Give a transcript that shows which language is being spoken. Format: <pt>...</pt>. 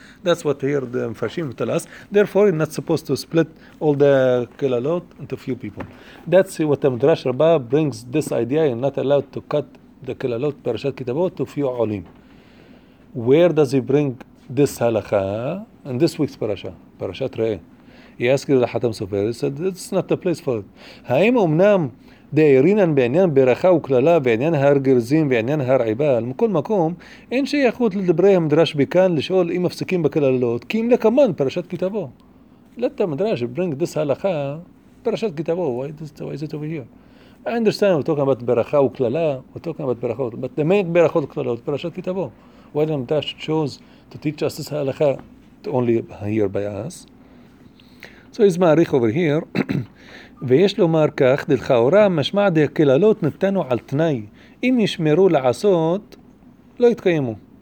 <en>That's what here the Mefarshim tell us. Therefore, you're not supposed to split all the kelalot into few people. That's what the Midrash Rabbah brings this idea. You're not allowed to cut the kelalot, Parashat Kitabot, to few olim. Where does he bring this halakha? In this week's parasha, Parashat Re'eh. He asked the Hatam Sofer, he said, it's not the place for it.</en> <he>Ha'im umnam דהירינן בעניין ברכה וכללה ועניין הר גרזים ועניין הר עיבל מכל מקום אין שייכות לדברי המדרש בכאן לשאול אם מפסיקים בכללות כי אם לכמן פרשת כתבו</he> <en>let the מדרש bring this הלכה</en> <he>פרשת כתבו</he> <en>why is it over here? I understand we're talking about ברכה וכללה we're talking about ברכות but the main ברכות וכללות פרשת כתבו why the מדרש chose to teach us this הלכה only here by us? So he's מעריך over here</en> <he>ויש לומר כך, דלכאורה, משמע דהכללות נתנו על תנאי. אם ישמרו לעשות, לא יתקיימו.</he>